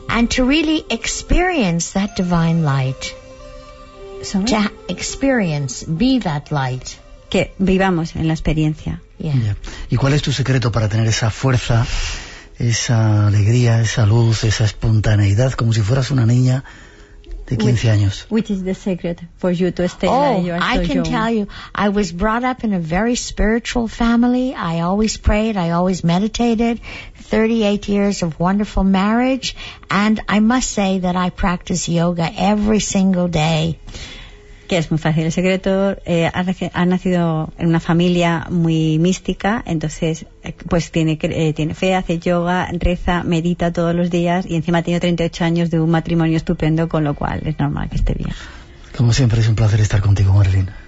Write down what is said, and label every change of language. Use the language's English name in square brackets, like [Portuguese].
[English] And to really experience that divine light. Sorry? To experience, be that light. [Spanish] Que vivamos en la experiencia. [English] Yeah. Yeah. [Spanish] ¿Y cuál es tu secreto para tener esa fuerza, esa alegría, esa luz, esa espontaneidad, como si fueras una niña de 15 años? [English] Which is the secret for you to stay I can tell you, I was brought up in a very spiritual family. I always prayed, I always meditated. 38 years of wonderful marriage, and I must say that I practice yoga every single day. [Spanish] Que es muy fácil. El secreto ha nacido en una familia muy mística, entonces pues tiene fe, hace yoga, reza, medita todos los días y encima ha tenido 38 años de un matrimonio estupendo, con lo cual es normal que esté bien. Como siempre, es un placer estar contigo, Marilyn.